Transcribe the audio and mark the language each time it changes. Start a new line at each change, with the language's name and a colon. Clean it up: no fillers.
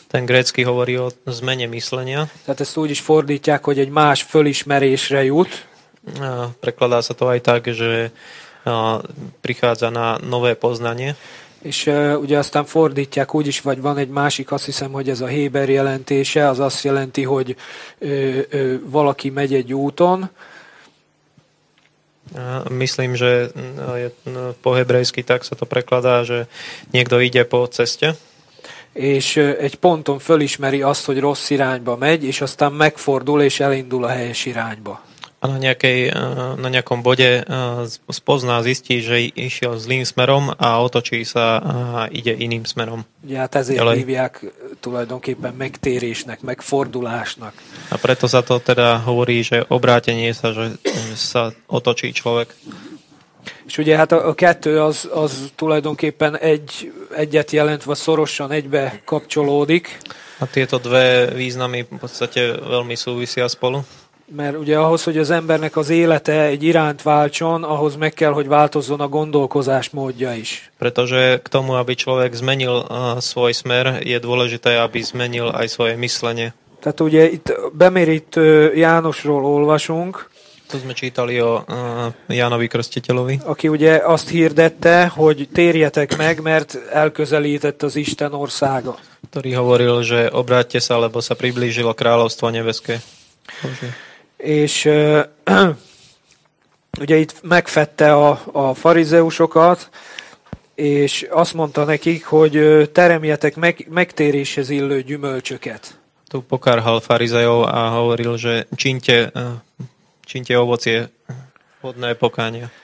Slovak: Ten grécky hovorí o zmene myslenia.
Hungarian: Tehát ezt úgy is fordítják, hogy egy más fölismerésre jut.
Slovak: Prekladá sa to aj tak, že prichádza na nové poznanie.
Hungarian: És ugye aztán fordítják úgyis, vagy van egy másik, azt hiszem, hogy ez a héber jelentése, az azt jelenti, hogy valaki megy egy úton.
Slovak: Myslím, že je po hebrejsky tak sa to prekladá, že niekto ide po ceste.
Hungarian: És egy ponton fölismeri azt, hogy rossz irányba megy, és aztán megfordul és elindul a helyes irányba.
Slovak: A na nejakom bode spozná, zistí, že išiel zlým smerom a otočí sa a ide iným smerom. Ja to ezért ďalej.
Hungarian: Hívják tulajdonképpen megtérésnek, megfordulásnak.
Slovak: A preto sa to teda hovorí, že obrátenie sa, že sa otočí človek.
Hungarian: És ugye hát a kettő az tulajdonképpen egyet jelent, vagy szorosan egybe kapcsolódik.
Slovak: A tieto dve významy v podstate veľmi súvisia spolu.
Hungarian: Mert ugye ahhoz, hogy az embernek az élete egy irányt váltson, ahhoz meg kell, hogy változzon a gondolkozás módja is.
Slovak: Pretože k tomu, aby človek zmenil svoj smer, je dôležité, aby zmenil aj svoje myslenie.
Hungarian: Tehát ugye itt bemérít Jánosról olvasunk.
Slovak: To sme čítali o Jánovi Krstiteľovi.
Hungarian: Aki ugye azt hirdette, hogy térjetek meg, mert elközelített az Isten országa.
Slovak: Ktorý hovoril, že obráťte sa, lebo sa priblížilo kráľovstvo nebeské.
Hungarian: És ugye itt megfette a farizeusokat, és azt mondta nekik, hogy teremjetek megtéréshez illő gyümölcsöket.
Slovak: Tu pokárhal farizeov a hovoril, že čínte ovocie hodné pokánia.